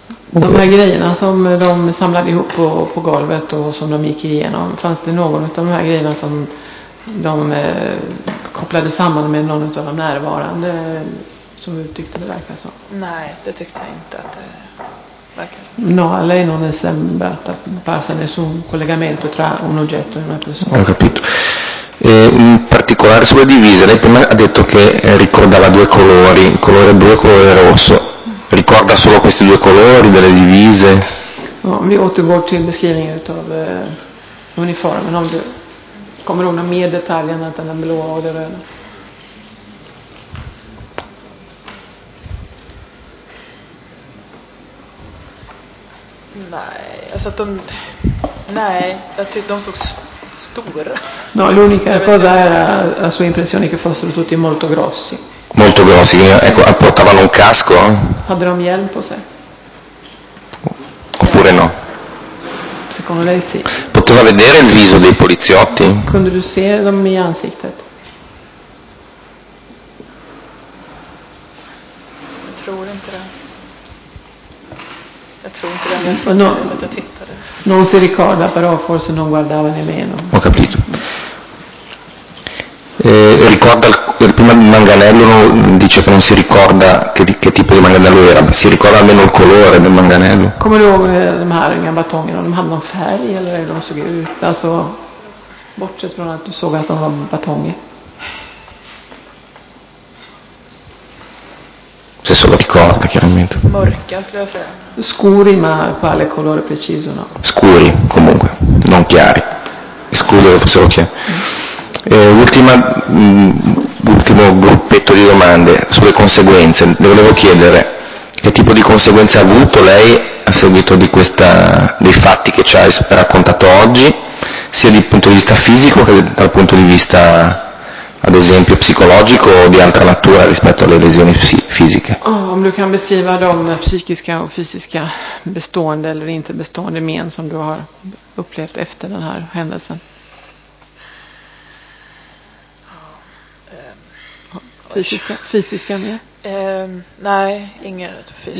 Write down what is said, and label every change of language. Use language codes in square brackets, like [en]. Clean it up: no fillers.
[sv] De här grejerna som de samlade ihop på golvet och som de gick igenom, fanns det någon av de här grejerna som de kopplade samman med någon av de närvarande som du tyckte det verkade så? Nej, det tyckte jag inte att det verkade. [it] No, a lei non è sembrata apparsa nessun collegamento tra un oggetto e una persona. Ho capito. In particolare sulle divise, lei prima ha detto che ricordava due colori, colore blu e colore rosso. Ricorda solo questi due colori delle divise? [sv] No, vi återgår till beskrivningen utav uniformen. Om du kommer ihåg några mer detaljer än att den är blå och den röda. Nej, alltså att de... Nej, jag tyckte de såg stora. [it] No, l'unica cosa era la sua impressione che fossero tutti molto grossi. Molto grossi, ecco, portavano un casco? [sv] Hade de hjälm på sig? [it] Oppure no? Secondo lei sì. Poteva vedere il viso dei poliziotti? [sv] Kunde du se dem i ansiktet? Jag tror inte det. Jag tror inte det. [it] Non si ricorda, però forse non guardava nemmeno. Ho capito. Ricorda il primo manganello, dice che non si ricorda che tipo di manganello era, ma si ricorda almeno il colore del manganello. Come lo [sv] de här inga batongerna, de hade någon färg eller hur de såg ut, alltså bortsett från att du såg att de var batonger. [it] Se solo ricorda chiaramente. [sv] Mörka, skulle jag säga. [it] Scuri, ma quale colore preciso, no? Scuri, comunque, non chiari. Escludo che fossero chiari. Ultimo gruppetto di domande sulle conseguenze. Le volevo chiedere che tipo di conseguenze ha avuto lei a seguito di questa, dei fatti che ci ha raccontato oggi, sia dal punto di vista fisico che dal punto di vista, ad esempio, psicologico o di altra natura rispetto alle lesioni fisiche. [sv] Oh, om du kan beskriva de psykiska och fysiska bestående eller inte bestående men som du har upplevt efter den här händelsen. Fysiska mer? Nej, inget fysiskt.